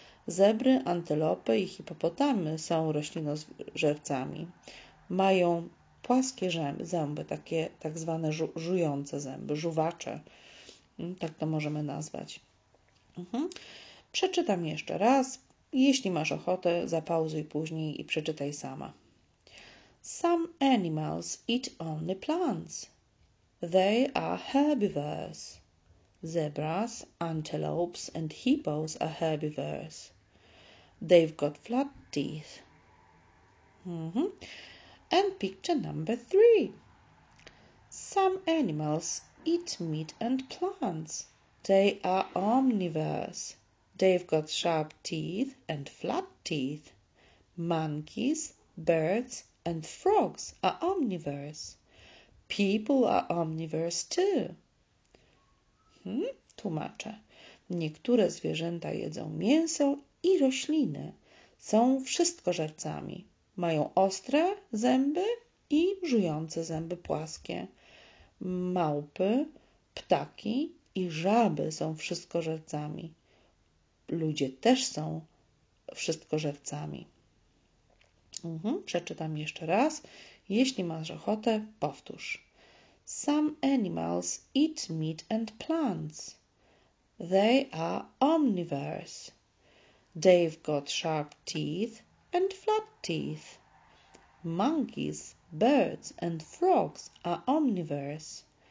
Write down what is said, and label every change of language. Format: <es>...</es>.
<pl>Zebry, antylopy i hipopotamy są roślinożercami. Mają płaskie zęby, takie tak zwane żujące zęby, żuwacze. Tak to możemy nazwać. Przeczytam jeszcze raz. Jeśli masz ochotę, zapauzuj później i przeczytaj sama.</pl> <en>Some animals eat only plants. They are herbivores. Zebras, antelopes and hippos are herbivores. They've got flat teeth. And picture number three. Some animals eat meat and plants. They are omnivores. They've got sharp teeth and flat teeth. Monkeys, birds and frogs are omnivores. People are omnivores too.</en> <pl>Tłumaczę. Niektóre zwierzęta jedzą mięso i rośliny. Są wszystkożercami. Mają ostre zęby i żujące zęby płaskie. Małpy, ptaki i żaby są wszystkożercami. Ludzie też są wszystkożercami. Przeczytam jeszcze raz. Jeśli masz ochotę, powtórz.</pl> <en>Some animals eat meat and plants. They are omnivores. They've got sharp teeth and flat teeth. Monkeys, birds and frogs are omnivores.</en>